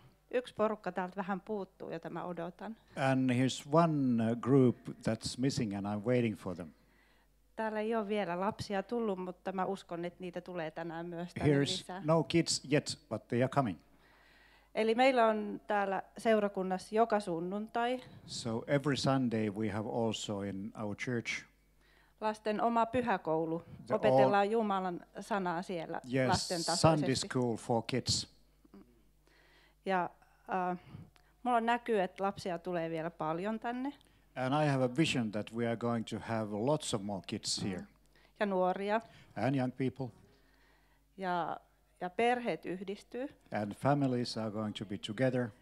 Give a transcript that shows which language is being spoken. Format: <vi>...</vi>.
<fi>Yksi porukka täältä vähän puuttuu ja tämä odotan.</fi> <en>And here's one group that's missing and I'm waiting for them.</en> <fi>Täällä ei ole vielä lapsia tullut, mutta mä uskon, että niitä tulee tänään myös.</fi> <en>Here's no kids yet, but they are coming.</en> <fi>Eli meillä on täällä seurakunnassa joka sunnuntai.</fi> <en>So every Sunday we have also in our church.</en> <fi>Lasten oma pyhäkoulu. Opetellaan Jumalan sanaa siellä</fi> <en>yes,</en> <fi>lasten tasoisesti.</fi> <en>Sunday school for kids.</en> <fi>Ja mulla näkyy, että lapsia tulee vielä paljon tänne.</fi> <en>And I have a vision that we are going to have lots of more kids here.</en> <fi>Ja nuoria.</fi> <en>And young people.</en> <fi>Ja perheet yhdistyy.</fi> <en>And families are going to be together.</en>